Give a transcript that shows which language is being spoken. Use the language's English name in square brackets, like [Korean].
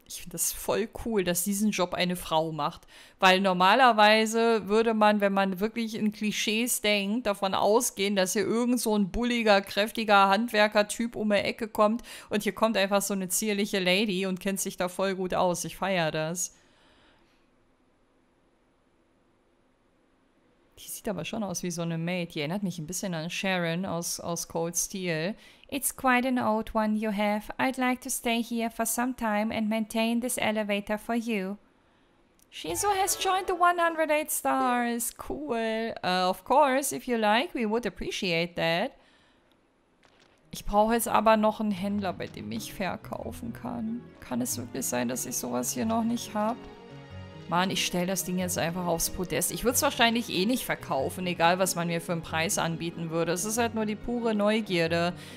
[German] Ich finde das voll cool, dass diesen Job eine Frau macht. Weil normalerweise würde man, wenn man wirklich in Klischees denkt, davon ausgehen, dass hier irgend so ein bulliger, kräftiger Handwerker-Typ um die Ecke kommt und hier kommt einfach so eine zierliche Lady und kennt sich da voll gut aus. Ich feiere das. Die sieht aber schon aus wie so eine Maid. Die erinnert mich ein bisschen an Sharon aus Cold Steel. [English] It's quite an old one you have. I'd like to stay here for some time and maintain this elevator for you. Shizu has joined the 108 stars. Cool. Of course, if you like, we would appreciate that. [German] Ich brauche jetzt aber noch einen Händler, bei dem ich verkaufen kann. Kann es wirklich sein, dass ich sowas hier noch nicht habe? Mann, ich stelle das Ding jetzt einfach aufs Podest. Ich würde es wahrscheinlich eh nicht verkaufen, egal was man mir für einen Preis anbieten würde. Es ist halt nur die pure Neugierde.